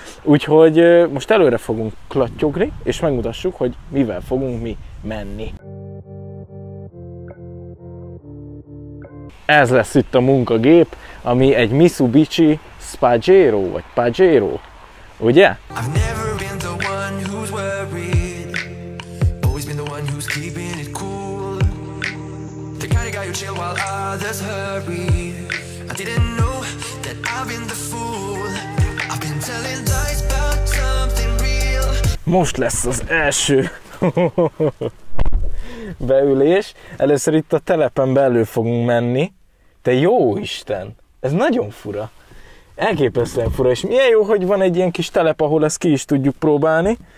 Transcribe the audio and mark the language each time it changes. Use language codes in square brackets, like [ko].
[hu] Úgyhogy most előre fogunk klattyogni, és megmutassuk, hogy mivel fogunk mi menni. Ez lesz itt a munkagép, ami egy Mitsubishi Pajero, vagy Pajero. Ugye? [en] I've never been the one who's worried. Always been the one who's keeping it cool. The kind of guy who chill while others hurry. I didn't know that I've been the fool. I've been telling lies about something real. [hu] Most lesz az első beülés. Először itt a telepen belül fogunk menni. Te jó Isten! Ez nagyon fura. Elképesztően fura, és milyen jó, hogy van egy ilyen kis telep, ahol ezt ki is tudjuk próbálni.